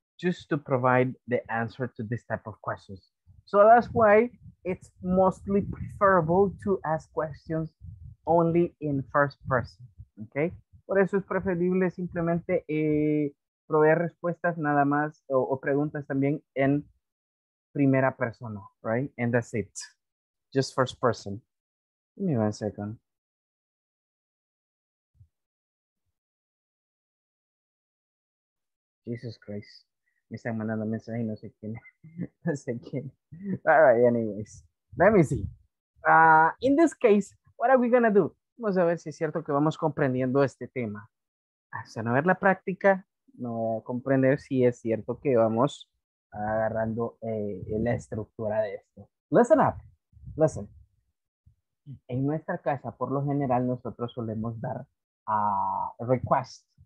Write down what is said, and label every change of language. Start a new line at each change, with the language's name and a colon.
English: Just to provide the answer to this type of questions. So that's why it's mostly preferable to ask questions only in first person, ok?
Spanish: Por eso es preferible simplemente proveer respuestas nada más o preguntas también en primera persona, right?
English: And that's it. Just first person. Give me one second. Jesus Christ.
Spanish: Me están mandando mensajes y no sé quién. No sé quién.
English: All right, anyways. Let me see. In this case, what are we going to do?
Spanish: Vamos a ver si es cierto que vamos comprendiendo este tema. Hasta no ver la práctica, no voy a comprender si es cierto que vamos agarrando la estructura de esto.
English: Listen up.
Spanish: Listen, en nuestra casa, por lo general, nosotros solemos dar
English: a request.